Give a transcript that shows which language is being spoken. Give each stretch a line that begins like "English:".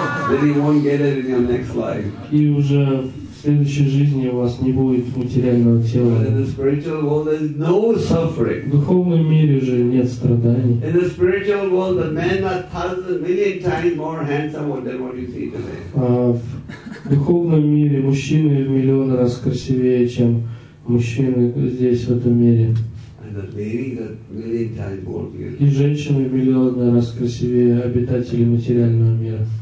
English: Then you won't get it in your next life.
Russian: И уже в следующей жизни у вас не будет материального тела.
English: In the spiritual world, there's no suffering.
Russian: В духовном мире же нет страданий.
English: In the spiritual world, the men are thousands, million times more handsome than what you see today.
Russian: В духовном мире мужчины в миллион раз красивее, чем мужчины здесь в этом мире. И женщины в миллион раз красивее обитателей материального мира.